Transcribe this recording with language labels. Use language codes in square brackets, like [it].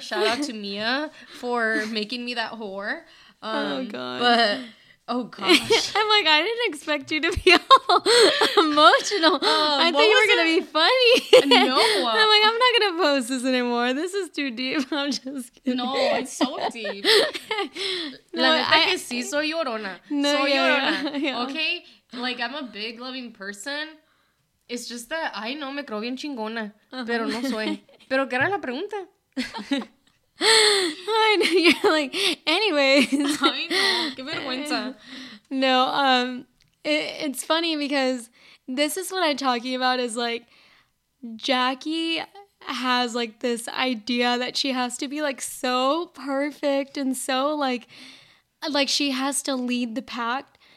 [en] Shout out to Mia for making me that whore. Oh god. But Oh, gosh. I'm like, I didn't expect you to be all emotional. I thought you were going to be funny. No. I'm like, I'm not going to post this anymore. This is too deep. I'm just kidding. No, it's so deep. [es] No, la neta que sí soy llorona. No, soy llorona. [en] Yeah. Okay? Like, I'm a big loving person. It's just that I know [es] me creo bien chingona, pero no soy. Pero ¿qué era la pregunta? [en] I know, you're like, anyways. I know, [es] qué vergüenza. [en] No, it's funny because this is what I'm talking about is, like, Jackie has, like, this idea that she has to be, like, so perfect and so, like she has to lead the pack.